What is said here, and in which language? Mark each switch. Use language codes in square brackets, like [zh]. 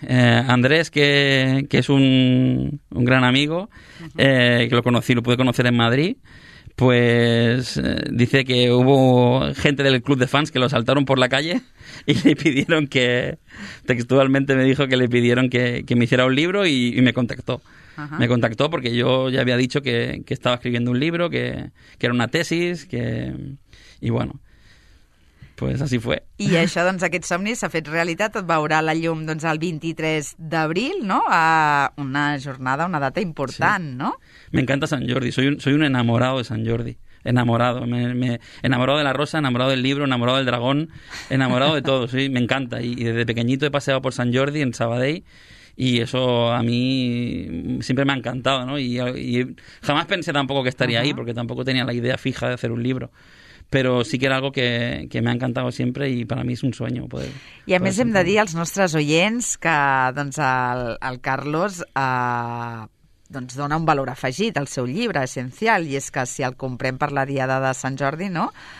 [es] Andrés, que és un gran amigo, que lo pude conocer en Madrid, pues dice que hubo gente del club de fans que lo saltaron por la calle y le pidieron que, textualmente me dijo que le pidieron que me hiciera un libro y me contactó. Ajá. Me contactó porque yo ya había dicho que estaba escribiendo un libro, que era una tesis, que y bueno, pues así fue. [ca] I això, doncs, aquest somni s'ha fet realitat, et veurà la llum doncs, el 23 d'abril, no? A una jornada, una data important, sí, no? [es] Me encanta San Jordi, soy un enamorado de San Jordi, enamorado, me enamorado de la rosa, enamorado del libro, enamorado del dragón, enamorado de todo, sí, me encanta, y desde pequeñito he paseado por San Jordi en Sabadell, y eso a mí siempre me ha encantado, ¿no? Y jamás pensé tampoco que estaría, uh-huh, ahí, porque tampoco tenía la idea fija de hacer un libro. [ca] Però [es] sí que era algo que me ha encantado siempre y para mí es un sueño poder... [ca] I a més hem de dir als nostres oients que doncs, el Carlos doncs, dona un valor afegit al seu llibre Esencial, i és que si el comprem per la Diada de Sant Jordi, no?